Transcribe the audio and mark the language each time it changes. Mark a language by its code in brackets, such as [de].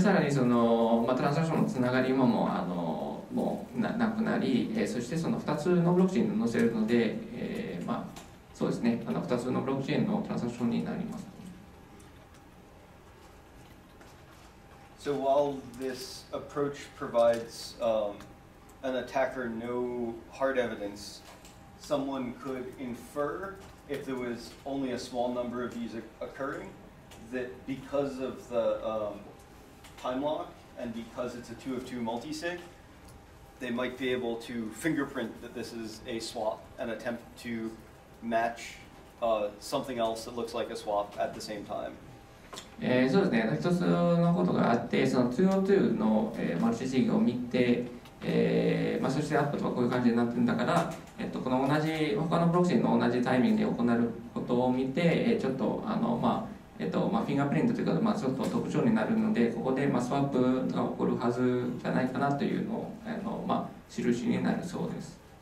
[ja] さらにその、まあ、トランザクションのつながり もあのもう なくなり、そしてその2つのブロックチェーンに載せるので、まあ、そうですね、あの2つのブロックチェーンのトランザクションになります。 [en] So while this approach provides, an attacker no hard evidence, someone could infer if there was only a small number of these occurring, that because of the, time lock, and because it's a 2-of-2 multi-sig, they might be able to fingerprint that this is a swap and attempt to match something else that looks like a swap at the same time. [ja] そうですね。一つのことがあって、その 2-of-2 の、マルチシグを見て、まあ、そしてアップとはこういう感じになってるんだから、この同じ他のプロクシーの同じタイミングで行うことを見て、ちょっとあのまあまあ、フィンガープリントというか、まあ、ちょっと特徴になるので、ここで、まあ、スワップが起こるはずじゃないかなというのを、まあ、印になるそうです。